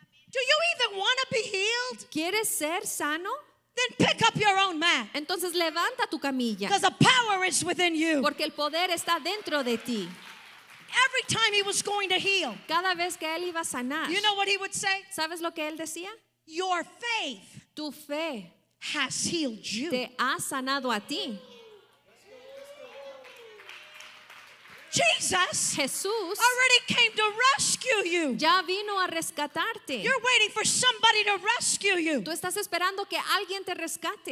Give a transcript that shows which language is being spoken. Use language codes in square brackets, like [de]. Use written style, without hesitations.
[en] Do you even want to be healed? [es] ¿Quieres ser sano? [en] Then pick up your own mat. [es] Entonces levanta tu camilla. [en] Because the power is within you. [es] Porque el poder está dentro de ti. [en] Every time he was going to heal. [es] Cada vez que él iba a sanar. [en] You know what he would say? [es] ¿Sabes lo que él decía? [en] Your faith. [es] Tu fe [en] has healed you. [es] Te ha sanado a ti. [en] Jesus, [es] Jesús, [en] already came to rescue you. [es] Ya vino a rescatarte. [en] You're waiting for somebody to rescue you. [es] Tú estás esperando que alguien te rescate.